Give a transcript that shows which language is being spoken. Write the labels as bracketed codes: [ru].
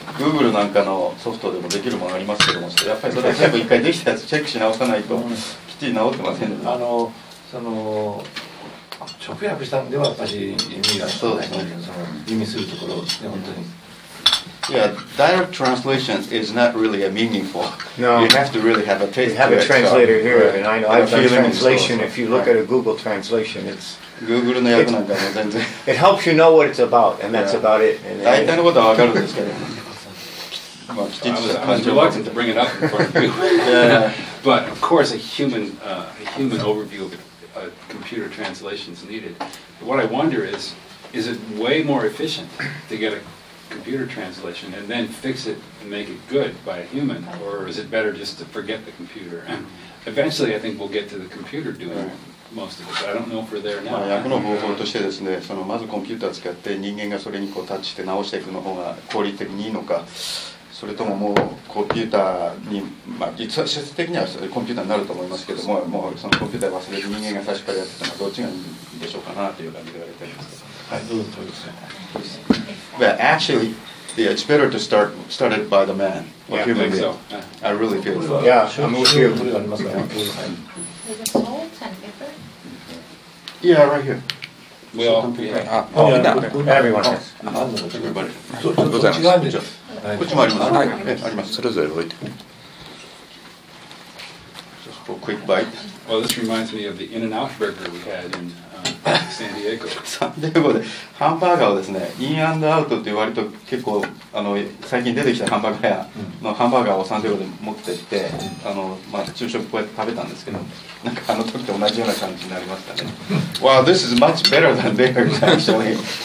[ja] Google なんかのソフトでもできるものありますけども、やっぱりそれ全部一回できたやつチェックし直さないときっちり直ってませんね。直訳したんではやっぱり意味が、そうですね、意味するところですね、本当に。 [en] Yeah, direct translation is not really a meaningful. No. You have to really have a taste. You have a translator here, right. And I know I've done translation. If you look at a Google translation, it's... [ja] Google の訳なんかも全然... [en] It helps you know what it's about, and that's about it. [ja] 大体のことは分かるんですけど。まあ、きちんと感じる。 [en] I'm reluctant to bring it up in front of you. Yeah. But, of course, a human overview of computer translation is needed. But what I wonder is it way more efficient to get a... computer translation and then fix it and make it good by a human, or is it better just to forget the computer? And eventually I think we'll get to the computer doing most of it, but I don't know if we're there now. [ja] 訳の方法としてですね、そのまずコンピューター使って人間がそれにこうタッチして直していくの方が効率的にいいのか、それとももうコンピューターに、まあ、実質的にはコンピューターになると思いますけども、もうそのコンピューター忘れて人間が最初からやってたのはどっちがいいんでしょうかなという感じで言われています。 [en] But actually, it's better to start it by the man, or human being. I really feel so. Yeah, I'm with you. Is it salt and pepper? Yeah, right here. We all. Everyone has. Everybody. [ja] ございます。こっちもあります。はい。あります。それぞれ置いて。 [en] Just a quick bite. Well, this reminds me of the In-N-Out burger we had in. San Diego [ja] でハンバーガーをですね、インアンドアウトって割と結構あの最近出てきたハンバーガー屋のハンバーガーをサンディエゴで持ってって、あのまあ昼食こうやって食べたんですけど、なんかあの時と同じような感じになりましたね。 [en] Wow, this is much better than there actually.